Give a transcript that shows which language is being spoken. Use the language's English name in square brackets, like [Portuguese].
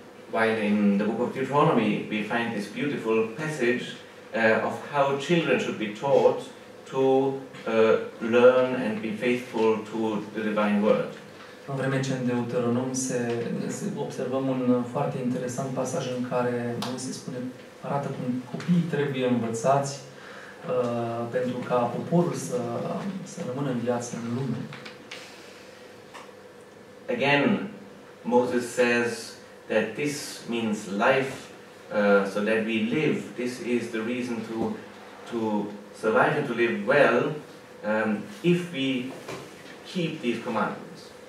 [English] While in the book of Deuteronomy we find this beautiful passage of how children should be taught to learn and be faithful to the divine word. [Romanian] În vreme ce în Deuteronom se observăm un foarte interesant pasaj în care se spune, arată cum copiii trebuie învățați pentru ca poporul să rămână în viață în lume. [English] Again, Moses says that this means life, so that we live. This is the reason to survive and to live well, if we keep these commandments.